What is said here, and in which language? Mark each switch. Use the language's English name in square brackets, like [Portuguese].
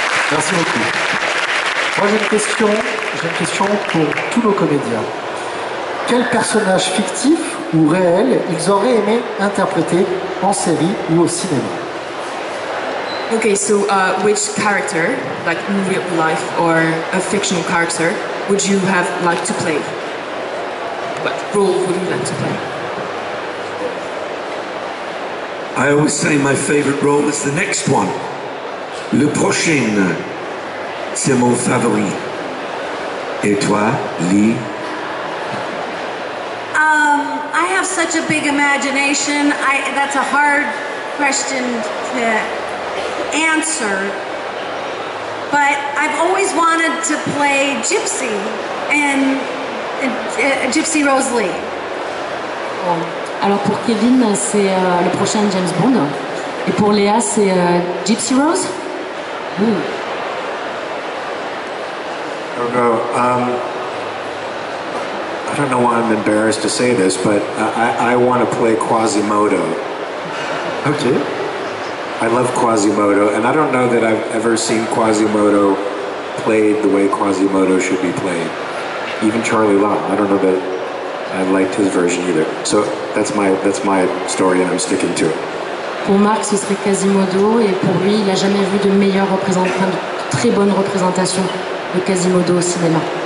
[French] Merci beaucoup. Moi j'ai une question pour tous nos comédiens. quel personnage fictif ou réel ils auraient aimé interpréter en série ou au cinéma? [English] Okay, so which character, like in real life or a fictional character, would you have liked to play? What role would you like to play? I always say my favorite role is the next one. [French] Le prochain, c'est mon favori. Et toi, Lee? [English] I have such a big imagination. That's a hard question to answer. But I've always wanted to play Gypsy and Gypsy Rosalie. [French] Alors pour Kevin, c'est le prochain James Bond. Et pour Léa, c'est Gypsy Rose. [English] Oh no, I don't know why I'm embarrassed to say this, but I want to play Quasimodo. Okay. I love Quasimodo, and I don't know that I've ever seen Quasimodo played the way Quasimodo should be played. Even Charlie Lott, I don't know that I liked his version either. So that's my story, and I'm sticking to it. [French] Pour Marc, ce serait Quasimodo, et pour lui, il n'a jamais vu de meilleure représentation, de très bonne représentation de Quasimodo au cinéma.